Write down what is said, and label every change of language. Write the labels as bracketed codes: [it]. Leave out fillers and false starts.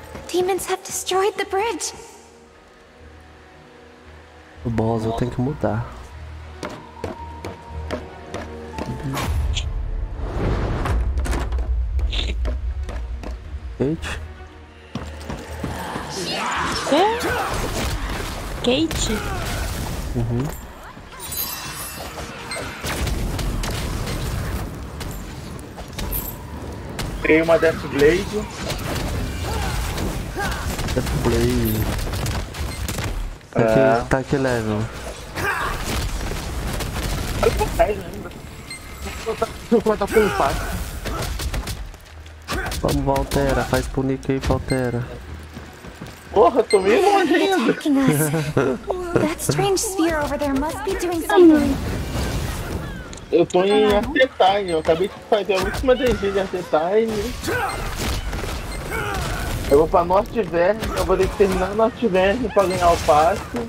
[en] Demons have destroyed the bridge. [pt] O boss, eu tenho que mudar. Kate? É? Kate? Uhum. Tem uma Death Blade. Death Blade. Tá aqui, tá aqui level. Olha o que faz ainda. Meu pai tá com impacto. Vamos, Valtera, faz pro Nick aí, Valtera. Porra, tô meio longe ainda. [en] That strange sphere over there must be doing something. [pt] Eu tô em Arcetine, eu acabei de fazer a última DG de Arcetine. Eu vou pra Norte Verde, eu vou ter que terminar Norte Verde pra ganhar o passe.